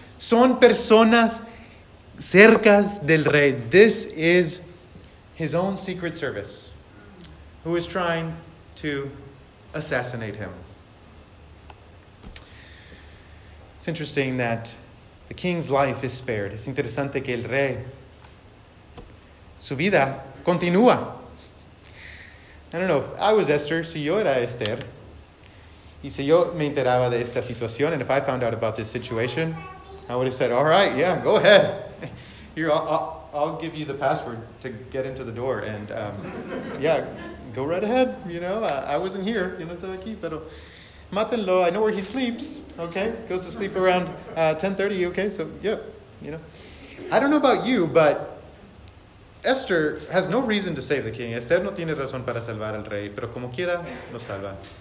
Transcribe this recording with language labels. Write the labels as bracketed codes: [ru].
[es] Son personas cerca del rey. [en] This is his own secret service who is trying to assassinate him. It's interesting that the king's life is spared. [es] Es interesante que el rey, su vida continúa. [en] I don't know, if I was Esther, [es] si yo era Esther, y si yo me enteraba de esta situación, [en] and if I found out about this situation, I would have said, all right, yeah, go ahead. Here, I'll give you the password to get into the door, and yeah, go right ahead. You know, I wasn't here. [es] Yo no estaba aquí, pero... Mátenlo, [en] I know where he sleeps, okay? Goes to sleep around 10:30, okay? So, yeah, you know. I don't know about you, but Esther has no reason to save the king. [es] Esther no tiene razón para salvar al rey, pero como quiera, lo salva.